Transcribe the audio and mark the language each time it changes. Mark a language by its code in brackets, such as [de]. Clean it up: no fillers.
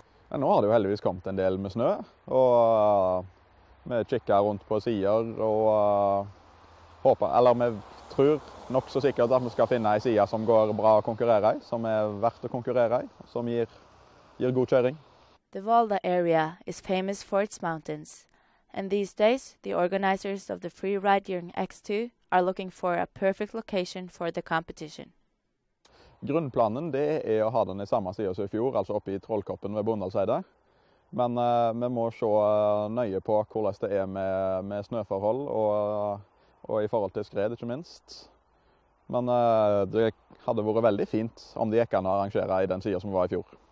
[no] Men nå har det jo heldigvis kommet en del med snø, og vi kikker rundt på sider, og håper, eller vi tror nok så sikkert at vi skal finne en side som går bra å konkurrere I, som verdt å konkurrere I, som gir god kjøring. [en] The Volda area is famous for its mountains, and these days the organizers of the free ride during X2 are looking for a perfect location for the competition. [no] Grunnplanen det å ha den I samme side som I fjor, altså oppe I Trollkoppen ved Bondalseide. Men vi må se nøye på hvordan det med snøforhold og I forhold til skred, ikke minst. Men det hadde vært veldig fint om de gikk an å arrangere I den siden som var I fjor.